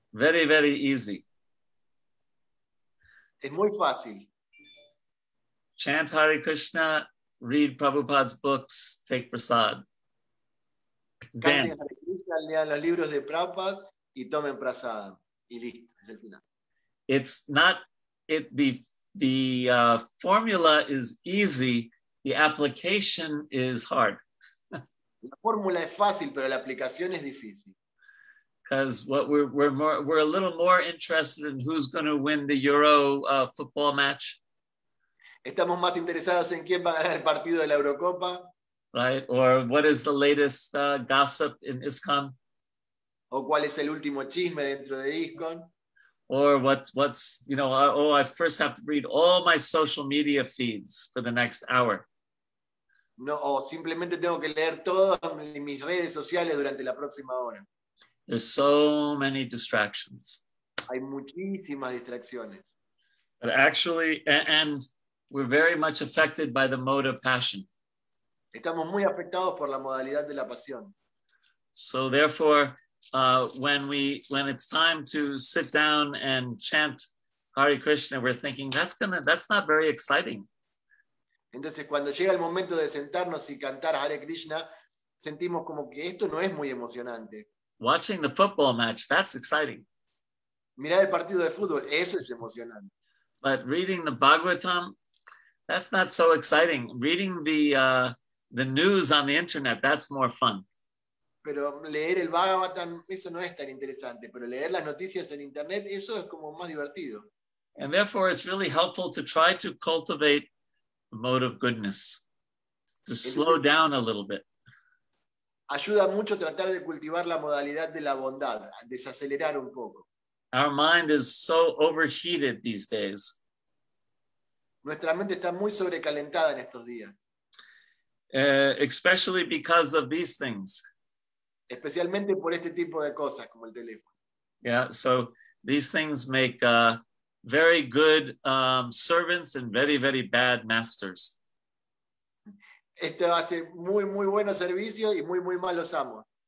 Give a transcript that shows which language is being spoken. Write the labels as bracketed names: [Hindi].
[English] Very, very easy. [Spanish] Es muy fácil. [English] chant Hare Krishna, read Prabhupada's books, take prasad. Dance. [Spanish] Lean los libros de Prabhupada y tomen prasad. Y listo, es el final. [English] It's not, the formula is easy, the application is hard. [Spanish] La fórmula es fácil, pero la aplicación es difícil. [English] Because we're a little more interested in who's going to win the Euro football match. [Spanish] Estamos más interesados en quién va a ganar el partido de la Eurocopa. [English] Right, or what is the latest gossip in ISKCON? [Spanish] O cuál es el último chisme dentro de ISKCON? [English] Or I first have to read all my social media feeds for the next hour. [Spanish] No, o simplemente tengo que leer todas mis redes sociales durante la próxima hora. [English] There's so many distractions. [Spanish] Hay muchísimas distracciones. [English] But actually, and we're very much affected by the mode of passion. [Spanish] Estamos muy afectados por la modalidad de la pasión. [English] So therefore, when it's time to sit down and chant Hare Krishna, we're thinking that's not very exciting. [Spanish] Entonces, cuando llega el momento de sentarnos y cantar Hare Krishna, sentimos como que esto no es muy emocionante. [English] Watching the football match, that's exciting. [Spanish] Mirar el partido de fútbol, eso es emocionante. [English] But reading the Bhagavatam, that's not so exciting. Reading the news on the internet, that's more fun. [Spanish] Pero leer el Bhagavatam, eso no es tan interesante. Pero leer las noticias en internet, eso es como más divertido. [English] And therefore, it's really helpful to try to cultivate a mode of goodness, to slow down a little bit. [Spanish] Ayuda mucho tratar de cultivar la modalidad de la bondad, desacelerar un poco. [English] Our mind is so overheated these days. [Spanish] Nuestra mente está muy sobrecalentada en estos días. [English] Especially because of these things. [Spanish] Especialmente por este tipo de cosas, como el teléfono. [English] Yeah, so these things make very good servants and very, very bad masters. [Spanish] Esto hace muy, muy buenos servicios y muy, muy malos amos.